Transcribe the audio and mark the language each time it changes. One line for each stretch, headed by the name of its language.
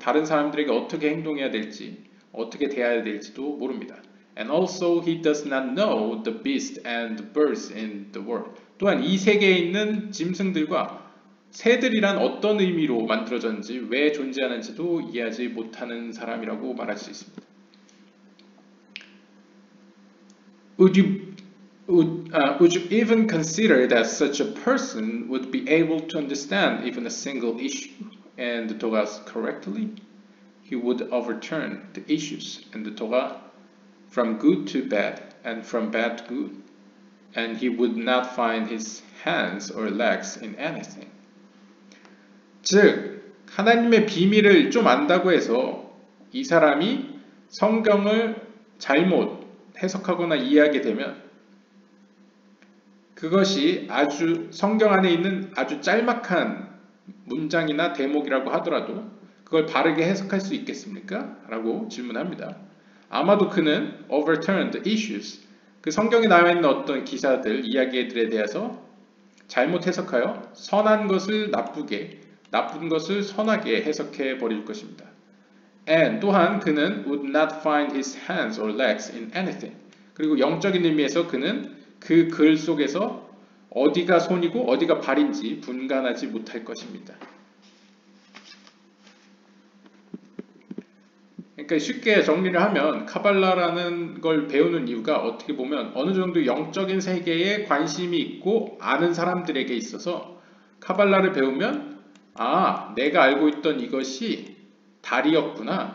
Korean: 다른 사람들에게 어떻게 행동해야 될지, 어떻게 대해야 될지도 모릅니다.
English: And also he does not know the beast and the birds in the world.
Korean: 또한 이 세계에 있는 짐승들과 새들이란 어떤 의미로 만들어졌는지 왜 존재하는지도 이해하지 못하는 사람이라고 말할 수 있습니다.
English: would you even consider that such a person would be able to understand even a single issue and the Togas correctly? He would overturn the issues and the Toga from good to bad and from bad to good, and he would not find his hands or legs in anything.
Korean: 즉, 하나님의 비밀을 좀 안다고 해서 이 사람이 성경을 잘못 해석하거나 이해하게 되면 그것이 아주 성경 안에 있는 아주 짤막한 문장이나 대목이라고 하더라도 그걸 바르게 해석할 수 있겠습니까? 라고 질문합니다. 아마도 그는
English: overturned issues,
Korean: 그 성경에 나와 있는 어떤 기사들, 이야기들에 대해서 잘못 해석하여 선한 것을 나쁘게, 나쁜 것을 선하게 해석해 버릴 것입니다.
English: And
Korean: 또한 그는
English: would not find his hands or legs in anything.
Korean: 그리고 영적인 의미에서 그는 그 글 속에서 어디가 손이고 어디가 발인지 분간하지 못할 것입니다. 그러니까 쉽게 정리를 하면 카발라라는 걸 배우는 이유가 어떻게 보면 어느 정도 영적인 세계에 관심이 있고 아는 사람들에게 있어서 카발라를 배우면 아, 내가 알고 있던 이것이 다리였구나.